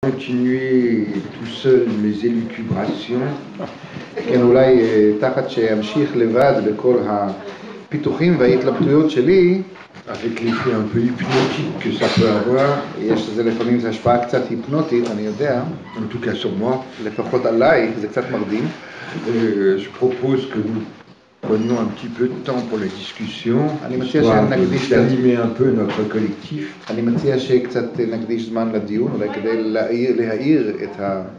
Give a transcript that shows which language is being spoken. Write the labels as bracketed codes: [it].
[fr] Continuer tout seul mes élucubrations. [he] כן, אולי תחת שימשיך לבד בכל הפיתוחים וההתלבטויות שלי, [fr] avec l'effet un peu hypnotique que ça peut avoir. [he] יש לזה לפעמים השפעה קצת היפנוטית, אני יודע. [fr] En tout cas sur moi. [he] לפחות עליי, זה קצת מרדים. [fr] Je propose que nous prenions un petit peu de temps pour la discussion. [he] אני מציע שנקדיש קצת... [fr] d'animer un peu notre collectif. [he] אני מציע שקצת נקדיש זמן לדיון, אולי כדי להעיר את ה...